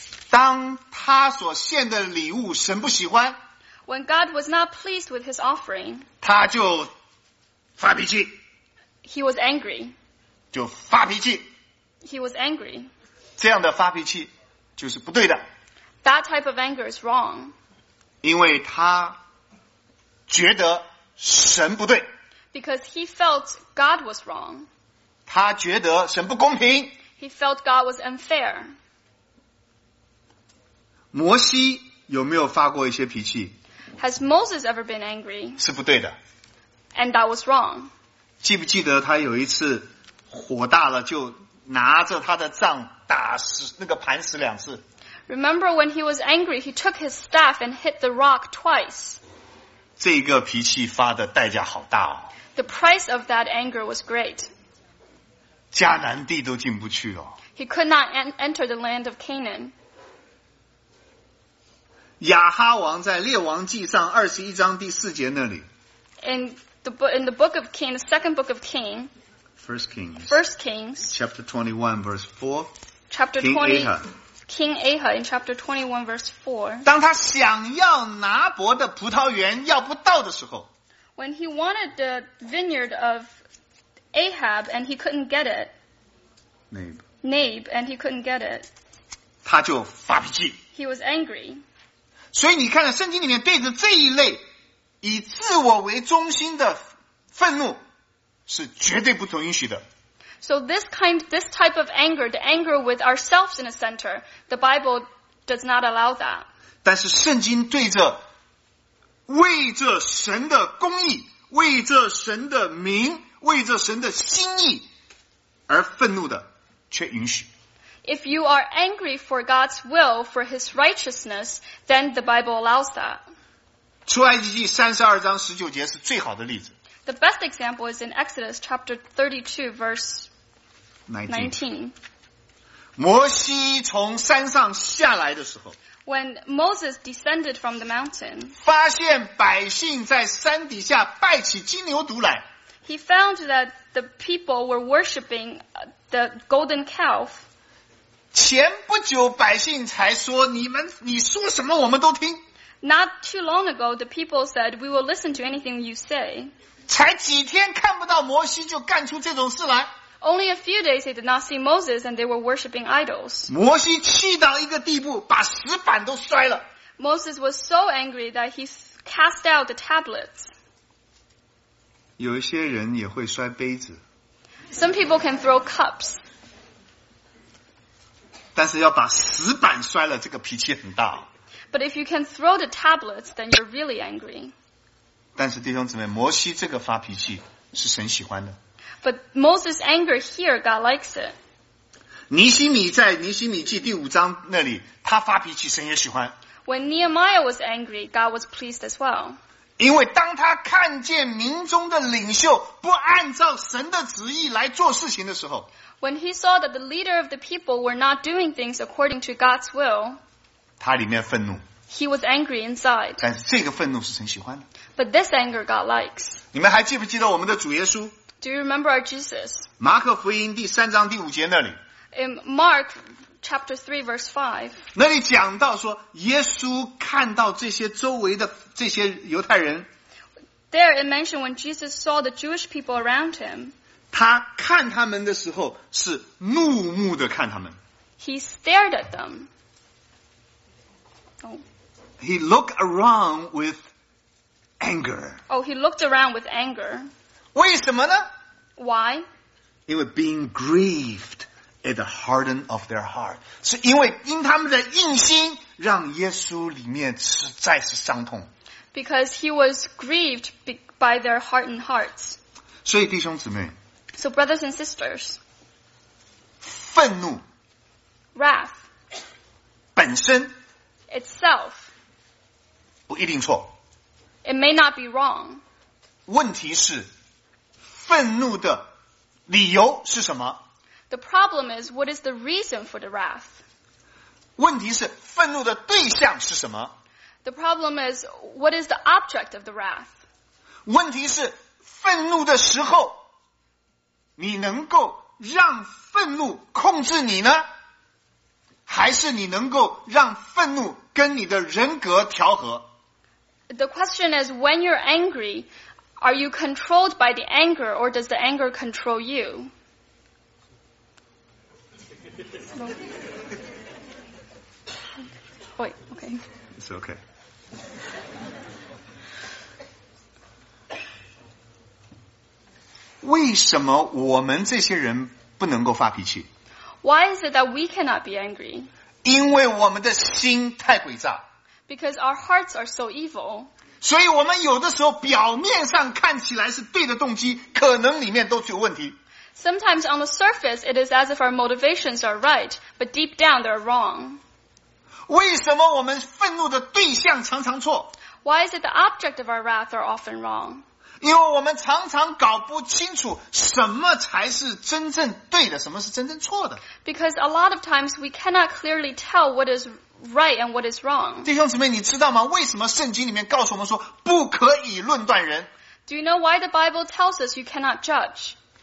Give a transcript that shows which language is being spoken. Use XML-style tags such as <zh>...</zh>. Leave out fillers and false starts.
<zh>当他所献的礼物神不喜欢。</zh> <en>When God was not pleased with his offering,</en> <zh>他就发脾气。</zh> <en>He was angry.</en> <zh>就发脾气。</zh> <en>He was angry.</en> <zh>这样的发脾气就是不对的。</zh> <en>That type of anger is wrong.</en> <zh>因为他觉得神不对。</zh> <en>Because he felt God was wrong.</en> <zh>他觉得神不公平。</zh> <en>He felt God was unfair.</en> <zh>摩西有没有发过一些脾气？</zh> <en>Has Moses ever been angry?</en> <zh>是不对的。</zh> <en>And that was wrong.</en> <zh>记不记得他有一次火大了就拿着他的杖打死那个磐石两次。</zh> <en>Remember when he was angry, he took his staff and hit the rock twice.</en> <zh>这个脾气发的代价好大哦。</zh> <en>The price of that anger was great.</en> <zh>迦南地都进不去哦。</zh> <en>He could not enter the land of Canaan.</en> <zh>亚哈王在列王记上二十一章第四节那里。</zh> <en>In the book of King, the second book of King. First Kings. Chapter 21, verse 4. Chapter 20. King Ahab. King Ahab in chapter 21, verse 4.</en> <zh>当他想要拿伯的葡萄园要不到的时候。</zh> <en>When he wanted the vineyard of Ahab and he couldn't get it.</en> <zh>Nabe. 他就发脾气。</zh> <en>He was angry.</en> <zh>所以你看圣经里面对着这一类以自我为中心的愤怒是绝对不同允许的。</zh> <en>So this type of anger, the anger with ourselves in the center, the Bible does not allow that.</en> <zh>但是圣经对着为着神的公义，为着神的名，为着神的心意而愤怒的却允许。</zh> <en>If you are angry for God's will, for His righteousness, then the Bible allows that.</en> <zh>出埃及记三十二章十九节是最好的例子。</zh> <en>The best example is in Exodus chapter 32, verse 19.</en> <zh>摩西从山上下来的时候。</zh> <en>When Moses descended from the mountain.</en> <zh>发现百姓在山底下拜起金牛犊来。</zh> <en>He found that the people were worshipping the golden calf.</en> <zh>前不久百姓才说你说什么我们都听。</zh> <en>Not too long ago, the people said, we will listen to anything you say.</en> <zh>才几天看不到摩西就干出这种事来。</zh> <en>Only a few days they did not see Moses and they were worshipping idols.</en> <zh>摩西气到一个地步把石板都摔了。</zh> <en>Moses was so angry that he cast out the tablets.</en> <zh>有一些人也会摔杯子。</zh> <en>Some people can throw cups.</en> <zh>但是要把石板摔了这个脾气很大。</zh> <en>But if you can throw the tablets, then you're really angry.</en> <zh>但是弟兄姊妹摩西这个发脾气是神喜欢的。</zh> <en>But Moses' anger here, God likes it.</en> <zh>尼希米在尼希米记第五章那里他发脾气神也喜欢。</zh> <en>When Nehemiah was angry, God was pleased as well.</en> <zh>因为当他看见民中的领袖不按照神的旨意来做事情的时候。</zh> <en>When he saw that the leader of the people were not doing things according to God's will,</en> <zh>他里面愤怒。</zh> <en>He was angry inside.</en> <zh>但是这个愤怒是神喜欢的。</zh> <en>But this anger God likes.</en> <zh>你们还记不记得我们的主耶稣？</zh> <en>Do you remember our Jesus?</en> <zh>马可福音第三章第五节那里。</zh> <en>In Mark chapter 3 verse 5.</en> <zh>那里讲到说耶稣看到这些周围的这些犹太人。</zh> <en>There it mentioned when Jesus saw the Jewish people around him.</en> <zh>他看他们的时候是怒目的看他们。</zh> <en>He stared at them. He looked around with anger. Oh, he looked around with anger.</en> <zh>为什么呢?</zh> <en>Why? They were being grieved at the hardening of their heart.</en> <zh>是因为因他们的硬心让耶稣里面实在是伤痛。</zh> <en>Because he was grieved by their hardened hearts.</en> <zh>所以弟兄姊妹。</zh> <en>So brothers and sisters.</en> <zh>愤怒。</zh> <en>Wrath.</en> <zh>本身。</zh> <en>Itself.</en> <zh>不一定错。</zh> <en>It may not be wrong.</en> <zh>问题是愤怒的理由是什么?</zh> <en>The problem is, what is the reason for the wrath?</en> <zh>问题是愤怒的对象是什么?</zh> <en>The problem is, what is the object of the wrath?</en> <zh>问题是愤怒的时候你能够让愤怒控制你呢? 还是你能够让愤怒跟你的人格调和?</zh> <en>The question is, when you're angry,Are you controlled by the anger, or does the anger control you? Wait, okay. It's okay. Why</en> <zh>什么我们这些人不能够发脾气?</zh> <en>Why is it that we cannot be angry?</en> <zh>因为我们的心太诡诈。</zh> <en>Because our hearts are so evil.</en> <zh>所以我们有的时候表面上看起来是对的动机，可能里面都是有问题。</zh> <en>Sometimes on the surface, it is as if our motivations are right, but deep down they're wrong.</en> <zh>为什么我们愤怒的对象常常错?</zh> <en>Why is it the object of our wrath are often wrong?</en> <zh>因为我们常常搞不清楚什么才是真正对的，什么是真正错的。</zh> <en>Because a lot of times we cannot clearly tell what is right and what is wrong.</en> <zh>弟兄姊妹你知道吗为什么圣经里面告诉我们说不可以论断人</zh> <en>Do you know why the Bible tells us you cannot judge?</en>